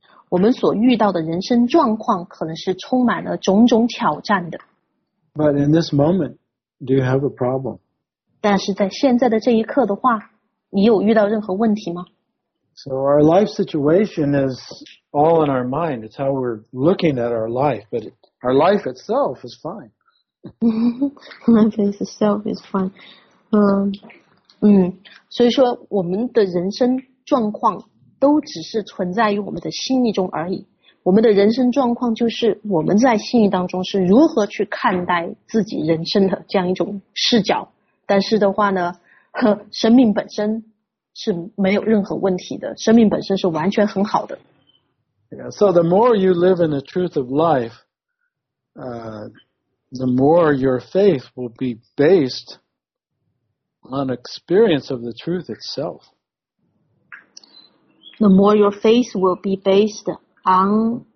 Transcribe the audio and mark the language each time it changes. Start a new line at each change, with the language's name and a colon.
Chinese: 我们所遇到的人生状况可能是充满了种种挑战的。
English: But in this moment, do you have a problem?
Chinese: 但是在现在的这一刻的话，你有遇到任何问题吗？
English: So our life situation is all in our mind. It's how we're looking at our life. But our life itself is fine. Life itself is fine.
Chinese: 所以说我们的人生状况都只是存在于我们的心意中而已。我们的人生状况就是我们在心意当中是如何去看待自己人生的这样一种视角。但是的话呢，生命本身是没有任何问题的，生命本身是完全很好的。
English: Yeah, so the more you live in the truth of life, the more your faith will be based on experience of the truth itself. The more your faith will be based on